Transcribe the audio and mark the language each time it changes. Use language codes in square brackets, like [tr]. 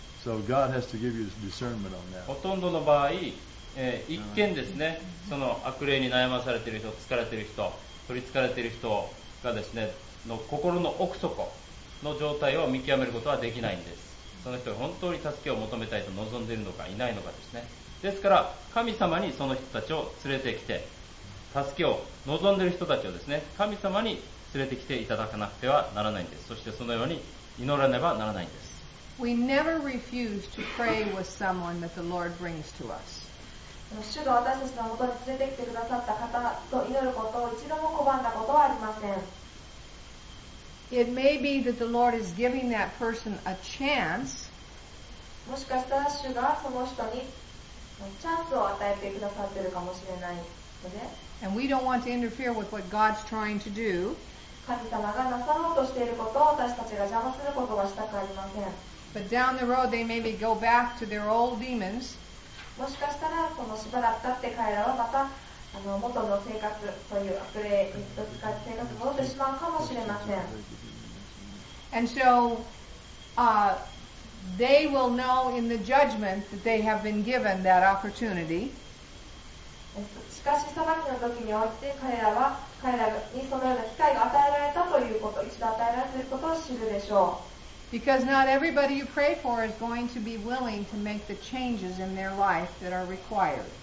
[en] So God has to give you discernment on that. [ja] ほとんどの場合、一見ですね、その悪霊に悩まされている人、疲れている人、取り憑かれている人がですね、の心の奥底の状態を見極めることはできないんです。その人が本当に助けを求めたいと望んでいるのか、いないのかですね。ですから、神様にその人たちを連れてきて、助けを望んでいる人たちをですね、神様に連れてきていただかなくてはならないんです。そしてそのように祈らねばならないんです。 [en] We never refuse to pray with someone that the Lord brings to us. [ja] 主が私たちのもとに連れてきてくださった方と祈ることを一度も拒んだことはありません。 [en] It may be that the Lord is giving that person a chance. [ja] もしかしたら主がその人にチャンスを与えてくださっているかもしれないので。 [en] And we don't want to interfere with what God's trying to do. [ja] 神様がなさろうとしていることを私たちが邪魔することはしたくありません。 [en] But down the road they maybe go back to their old demons. [ja] もしかしたらそのしばらく経って彼らはまた元の生活という悪霊に使って生活に戻ってしまうかもしれません。 [en] And so, they will know in the judgment that they have been given that opportunity. [ja] しかし裁きの時において彼らにそのような機会が与えられたということ一度与えられたということを知るでしょう。 [en] Because not everybody you pray for is going to be willing to make the changes in their life that are required.